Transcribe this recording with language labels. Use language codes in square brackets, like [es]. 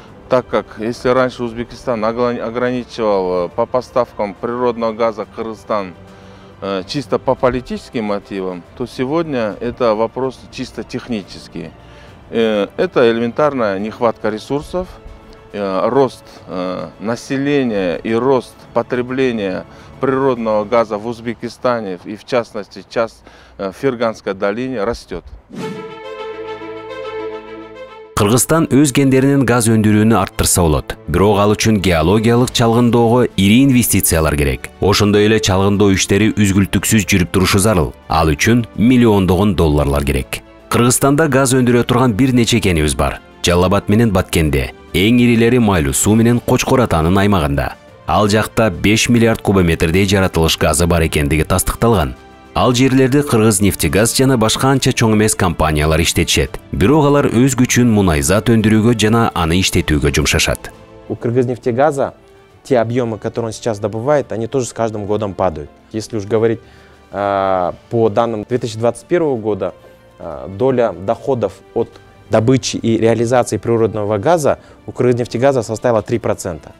[ru] Так как если раньше Узбекистан ограничивал по поставкам природного газа в Кыргызстан чисто по политическим мотивам, то сегодня это вопрос чисто технический. Это элементарная нехватка ресурсов, рост населения и рост потребления природного газа в Узбекистане и в частности сейчас в Ферганской долине растет. [ky] Кыргызстан өз кендеринин газ өндүрүүнү арттырса болот. Бирок ал үчүн геологиялык чалгындоого ири инвестициялар керек. Ошондой эле чалгындоо иштери үзгүлтүксүз жүрүп турушу зарыл. Ал үчүн миллиондогон долларлар керек. Кыргызстанда газ өндүрө турган бир нече кенибиз бар. Жалабат менен Баткенде, эң ирилери Майлуусуу менен Кочкор Атанын аймагында. Ал жакта 5 миллиард кубометрдей жаратылыш газы бар экендиги тастыкталган. Ал жерлерде Кыргыз нефтегаз жана башка анча чоң эмес компаниялар иштетишет. Бирок алар өз күчүн мунайзат өндүрүүгө жана аны иштетүүгө жумшашат. [ru] У Кыргызнефтегаза те объемы, которые он сейчас добывает, они тоже с каждым годом падают. Если уж говорить по данным 2021 года, доля доходов от добычи и реализации природного газа у Кыргызнефтегаза составила 3%.